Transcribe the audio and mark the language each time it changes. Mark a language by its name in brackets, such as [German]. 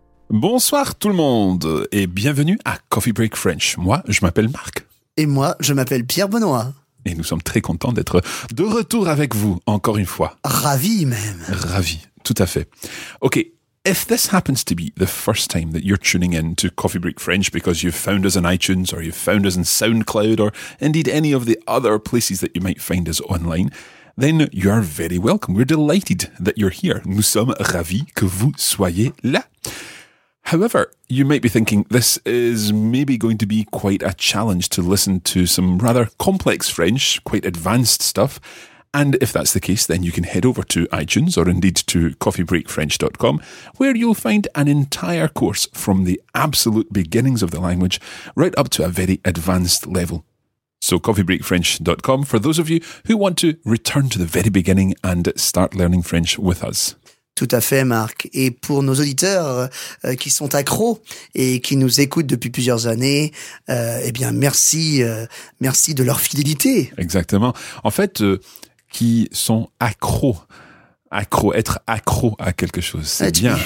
[French] Bonsoir tout le monde et bienvenue à Coffee Break French. Moi, je m'appelle Marc. Et moi, je m'appelle Pierre Benoît. Et nous sommes très contents d'être de retour avec vous, encore une fois. Ravi même. Ravi, tout à fait. [English] Ok, if this happens to be the first time that you're tuning in to Coffee Break French because you've found us on iTunes or you've found us in SoundCloud or indeed any of the other places that you might find us online, then you are very welcome. We're delighted that you're here. [French] Nous sommes ravis que vous soyez là. [English] However, you might be thinking this is maybe going to be quite a challenge to listen to some rather complex French, quite advanced stuff. And if that's the case, then you can head over to iTunes or indeed to coffeebreakfrench.com, where you'll find an entire course from the absolute beginnings of the language right up to a very advanced level. So coffeebreakfrench.com for those of you who want to return to the very beginning and start learning French with us. [French] Tout à fait, Marc. Et pour nos auditeurs qui sont accros et qui nous écoutent depuis plusieurs années, eh bien, merci, merci de leur fidélité. Exactement. En fait, qui sont accros, être accro à quelque chose, c'est bien.